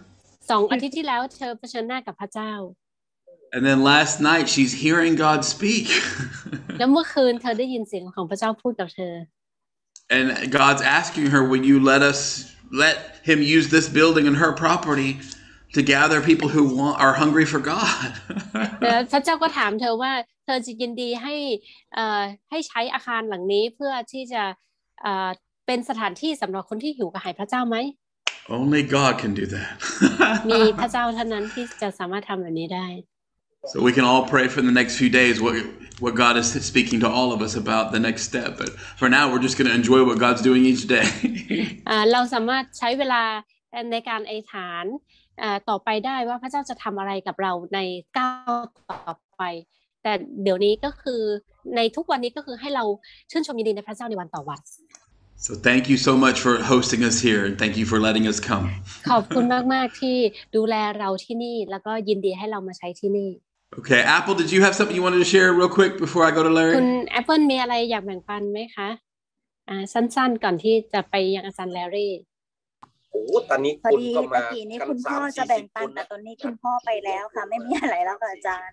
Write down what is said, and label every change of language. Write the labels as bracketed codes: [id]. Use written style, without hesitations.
[th] 2อาทิตย์ที่แล้วเธอเผชิญหน้ากับพระเจ้า [en] And then last night, she's hearing God speak. [th] แล้วเมื่อคืนเธอได้ยินเสียงของพระเจ้าพูดกับเธ [en] อ And God's asking her, "Will you let us?" Let him use this building and her property to gather people who want are hungry for God. [th] พระเจ้าก็ถามเธอว่าเธอจะยินดีให้ใช้อาคารหลังนี้เพื่อที่จะเป็นสถานที่สำหรับคนที่หิวกระหายพระเจ้าไหม [en] Only God can do that. [th] มีพระเจ้าเท่านั้นที่จะสามารถทำแบบนี้ได้ [en] So we can all pray for the next few days what God is speaking to all of us about the next step. But for now, we're just going to enjoy what God's doing each day. [th] เราสามารถใช้เวลาในการอธิษฐานต่อไปได้ว่าพระเจ้าจะทำอะไรกับเราในก้าวต่อไปแต่เดี๋ยวนี้ก็คือในทุกวันนี้ก็คือให้เราชื่นชมยินดีในพระเจ้าในวันต่อวัน [en] So thank you so much for hosting us here and thank you for letting us come. [th] ขอบคุณมากๆที่ดูแลเราที่นี่แล้วก็ยินดีให้เรามาใช้ที่นี่ [en] Okay, Apple, did you have something you wanted to share real quick before I go to Larry? [th] คุณ Apple มีอะไรอยากแบ่งปันไหมคะสั้นๆก่อนที่จะไปยังอาจารย์แลรี่ โอ้ตอนนี้คุณก็มา คุณพ่อจะแบ่งปันแต่ตอนนี้คุณพ่อไปแล้วค่ะไม่มีอะไรแล้วค่ะอาจารย